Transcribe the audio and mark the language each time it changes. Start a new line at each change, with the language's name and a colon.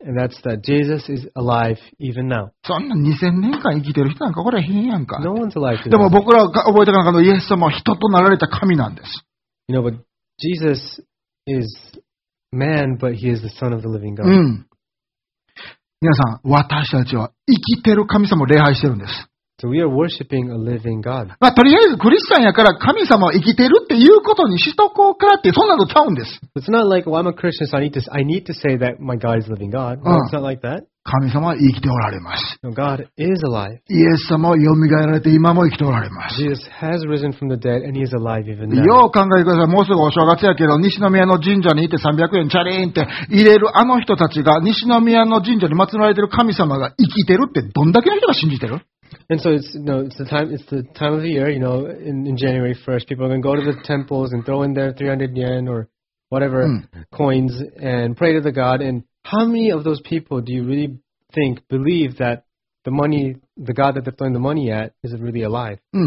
English: And that's that Jesus is alive even now.
Japanese: そんな2000年間生きてる人なんかこれへんやんか。
English: No one's alive today.
Japanese: でも僕らが覚えてなかったイエス様は人となられた神なんです。
English: You know, butJesus is man, but he is the Son of the living God.
Japanese: 皆さん、私たちは生きてる神様を礼拝してるんです。
English: So we are worshiping a living God.
Japanese: まあ、とりあえずクリスチャンやから神様は生きてるっていうことにしとこうからってそんなのちゃうんです。
English: It's not like, well, I'm a Christian, so I need to say that my God is living God. No, it's not like that.
Japanese: 神様は生きておられます。
English: No, God is alive.
Japanese: イエス様はよみがえられて今も生きておられます。
English: Jesus has risen from the dead and he is alive even now.
Japanese: よう考えてください。もうすぐお正月やけど、西宮の神社に行って300円チャリーンって入れるあの人たちが、西宮の神社に祀られてる神様が生きてるってどんだけの人が信じてる？
English: And so it's the time of the year, you know, in January 1st, people are going to go to the temples and throw in their 300 yen or whatever coins and pray to the God. And how many of those people do you really think believe that the money, the God that they're throwing the money at, is really alive?